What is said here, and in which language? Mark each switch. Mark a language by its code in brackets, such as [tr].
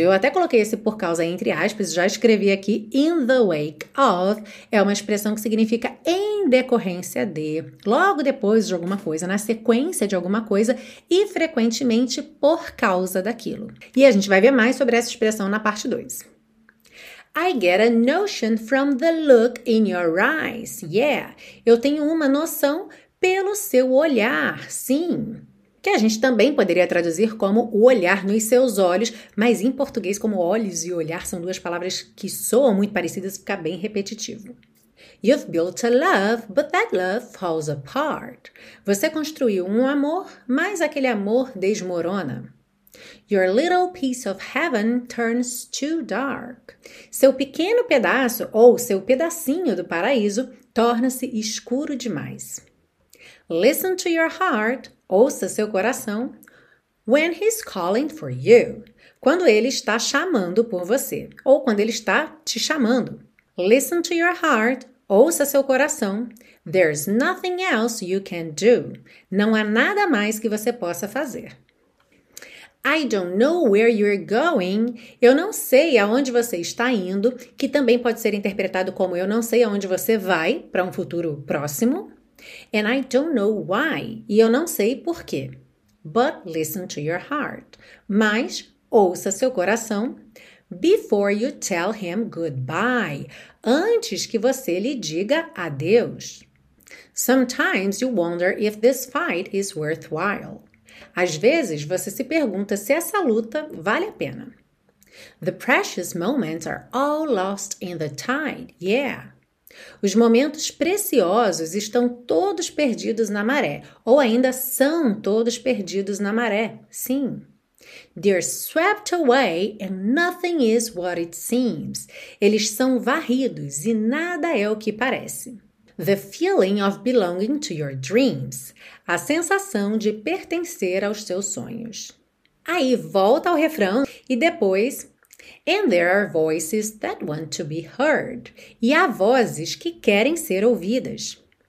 [pt] Eu até coloquei esse por causa entre aspas, já escrevi aqui [en] in the wake of, [pt] é uma expressão que significa em decorrência de, logo depois de alguma coisa, na sequência de alguma coisa e frequentemente por causa daquilo. E a gente vai ver mais sobre essa expressão na parte 2. [en] I get a notion from the look in your eyes. [pt] Yeah, eu tenho uma noção pelo seu olhar, sim. Que a gente também poderia traduzir como o olhar nos seus olhos, mas em português, como olhos e olhar são duas palavras que soam muito parecidas, fica bem repetitivo. [en] You've built a love, but that love falls apart. [pt] Você construiu um amor, mas aquele amor desmorona. [en] Your little piece of heaven turns too dark. [pt] Seu pequeno pedaço ou seu pedacinho do paraíso torna-se escuro demais. [en] Listen to your heart, [pt] ouça seu coração. [en] When he's calling for you, [pt] quando ele está chamando por você, ou quando ele está te chamando. [en] Listen to your heart, [pt] ouça seu coração. [en] There's nothing else you can do. [pt] Não há nada mais que você possa fazer. [en] I don't know where you're going. [pt] Eu não sei aonde você está indo, que também pode ser interpretado como eu não sei aonde você vai para um futuro próximo. [en] And I don't know why. [pt] E eu não sei por quê. [en] But listen to your heart. [pt] Mas ouça seu coração. [en] Before you tell him goodbye. [pt] Antes que você lhe diga adeus. [en] Sometimes you wonder if this fight is worthwhile. [pt] Às vezes você se pergunta se essa luta vale a pena. [en] The precious moments are all lost in the tide, yeah. [pt] Os momentos preciosos estão todos perdidos na maré, ou ainda são todos perdidos na maré, sim. [en] They're swept away and nothing is what it seems. [pt] Eles são varridos e nada é o que parece. [en] The feeling of belonging to your dreams. [pt] A sensação de pertencer aos seus sonhos. Aí volta ao refrão e depois. [en] And there are voices that want to be heard. [pt] E há vozes que querem ser ouvidas.